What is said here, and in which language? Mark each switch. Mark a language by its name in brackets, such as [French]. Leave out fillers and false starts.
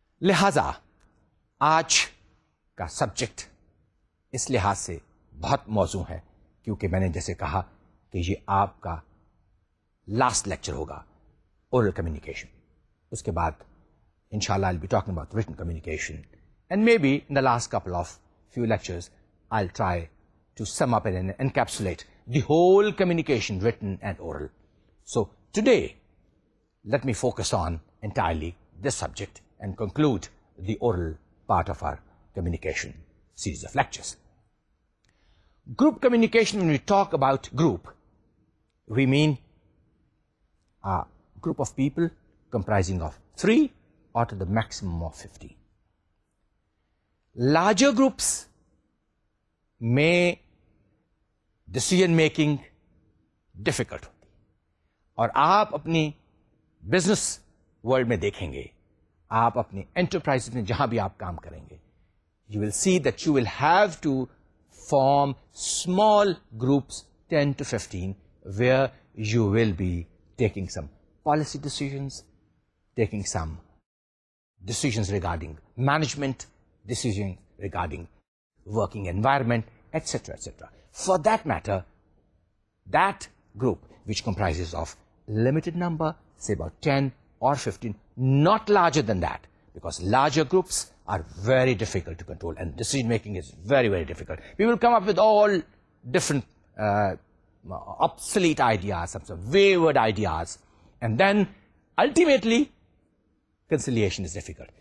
[Urdu] لہذا آج کا [English] subject [Urdu] اس لحاظ سے بہت موضوع ہے کیونکہ میں نے جیسے کہا کہ یہ آپ کا [English] last lecture [Urdu] ہوگا [English] oral communication, [Urdu] اس کے بعد ان شاء اللہ [English] I be talking about written communication, and may be in the last couple of few lectures I try to sum up and encapsulate the whole communication written and oral. So today, let me focus on entirely this subject and conclude the oral part of our communication series of lectures. Group communication, when we talk about group, we mean a group of people comprising of 3 or to the maximum of 50. Larger groups may decision making difficult [Urdu] ہوتی, اور آپ اپنی [English] business world [Urdu] میں دیکھیں گے, آپ اپنی [English] enterprise [Urdu] میں جہاں بھی آپ کام کریں گے, [English] You will see that you will have to form small groups 10 to 15 where you will be taking some policy decisions, taking some decisions regarding management, decision regarding working environment, etcetera etcetera. For that matter, that group which comprises of limited number, say about 10 or 15, not larger than that, because larger groups are very difficult to control and decision making is very, very difficult. We will come up with all different obsolete ideas, some sort of wayward ideas, and then ultimately conciliation is difficult.